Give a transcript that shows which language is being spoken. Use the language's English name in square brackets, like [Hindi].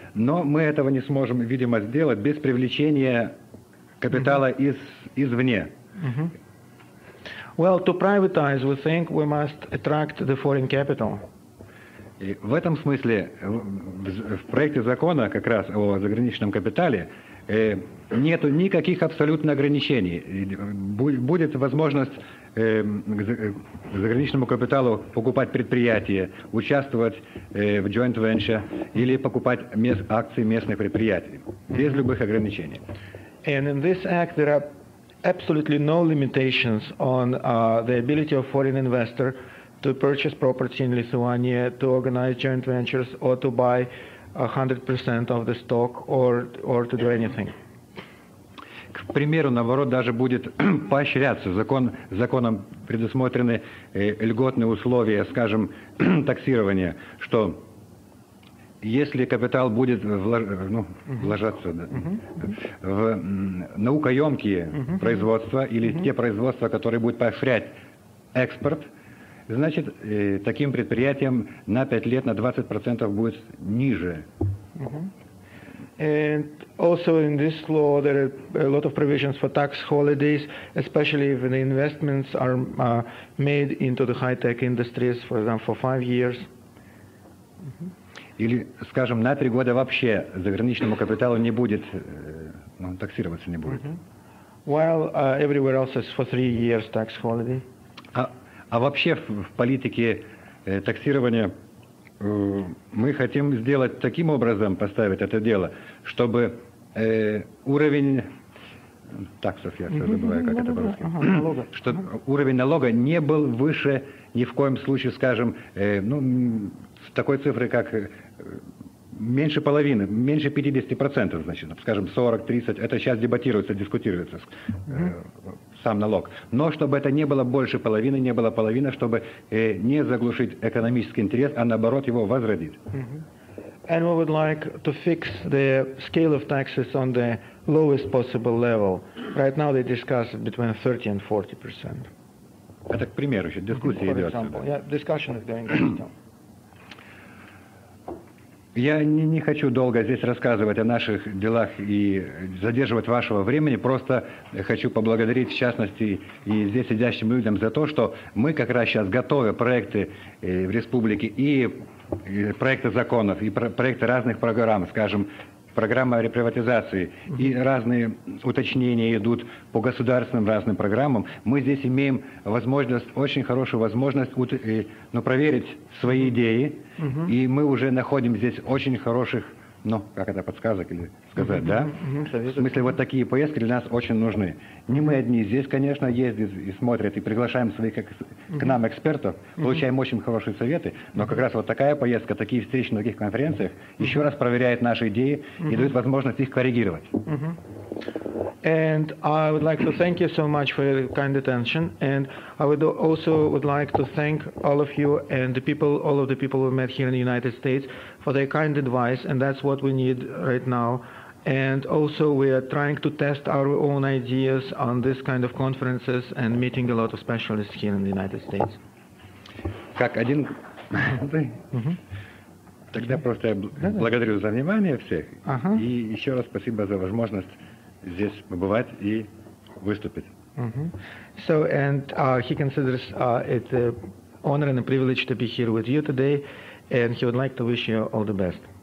[Russian] Но мы этого не сможем, видимо, сделать без привлечения капитала извне. [English] Well, to privatize, we think we must attract the foreign capital. [Russian] И в этом смысле в проекте закона как раз о заграничном капитале нету никаких абсолютно ограничений. Будет возможность заграничному капиталу покупать предприятия, участвовать в joint venture или покупать акции местных предприятий без любых ограничений. [English] And in this act there are absolutely no limitations on the ability of foreign investor to purchase property in Lithuania, to organize joint ventures, or to buy 100% of the stock, or to do anything. [Russian] К примеру, наоборот, даже будет поощряться. Законом предусмотрены льготные условия, скажем, таксирования, что если капитал будет вложаться в наукоемкие производства или те производства, которые будут поощрять экспорт, значит, таким предприятиям на 5 лет на 20% будет ниже. [English] And also in this law there are a lot of provisions for tax holidays, especially if the investments are made into the high-tech industries, for example, for 5 years. [Russian] Или, скажем, на 3 года вообще заграничному капиталу не будет, таксироваться не будет. [English] While everywhere else is for 3 years tax holiday. [Russian] А вообще в политике таксирования мы хотим сделать таким образом, поставить это дело, чтобы уровень таксов, я все забываю, как это по-русски, что уровень налога не был выше ни в коем случае, скажем, с такой цифры, как меньше половины, меньше 50%, значит, скажем, 40-30, это сейчас дискутируется. Сам налог. Но чтобы это не было больше половины, не было половины, чтобы не заглушить экономический интерес, а наоборот его возродить. [English] And we would like to fix the scale of taxes on the lowest possible level. Right now they discuss between 30 and 40%. [Russian] Это, к примеру, еще дискуссия идет. [English] Yeah, discussion is going on. [Russian] Я не хочу долго здесь рассказывать о наших делах и задерживать вашего времени. Просто хочу поблагодарить, в частности, и здесь сидящим людям за то, что мы как раз сейчас готовим проекты в республике и проекты законов, и проекты разных программ, скажем, программа реприватизации, и разные уточнения идут по государственным разным программам. Мы здесь имеем возможность, очень хорошую возможность проверить свои идеи, и мы уже находим здесь очень хороших, советов. В смысле, вот такие поездки для нас очень нужны. Не мы одни здесь, конечно, ездят и смотрят, и приглашаем своих к нам экспертов, получаем очень хорошие советы, но как раз вот такая поездка, такие встречи на таких конференциях еще раз проверяет наши идеи и дает возможность их коррегировать. [English] And I would like to thank you so much for your kind attention, and I would also would like to thank all of you and the people, all of the people we met here in the United States for their kind advice, and that's what we need right now. And also we are trying to test our own ideas on this kind of conferences and meeting a lot of specialists here in the United States. [Russian] Как один... Тогда просто я благодарю за внимание всех. И еще раз спасибо за возможность здесь побывать и выступить. [English] So, and he considers it an honor and a privilege to be here with you today, and he would like to wish you all the best.